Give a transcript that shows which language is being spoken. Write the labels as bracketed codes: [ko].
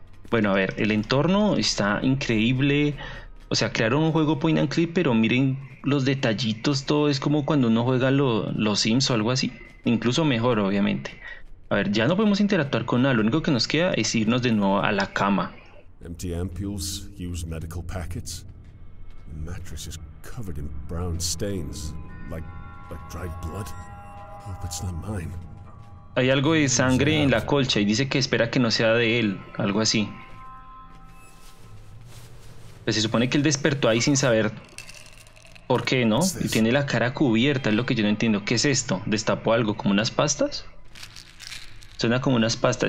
[es] Bueno, a ver, el entorno está increíble. O sea, crearon un juego point and click, pero miren los detallitos, todo es como cuando uno juega los Sims o algo así. Incluso mejor, obviamente. A ver, ya no podemos interactuar con nada. Lo único que nos queda es irnos de nuevo a la cama. [en] Empty ampules, used medical packets. The mattress is covered in brown stains, like dried blood. Hope it's not mine. [es] Hay algo de sangre en la colcha y dice que espera que no sea de él, algo así. Pues se supone que él despertó ahí sin saber por qué, ¿no? Y tiene la cara cubierta, es lo que yo no entiendo. ¿Qué es esto? ¿Destapó algo? ¿Como unas pastas? Suena como unas pastas.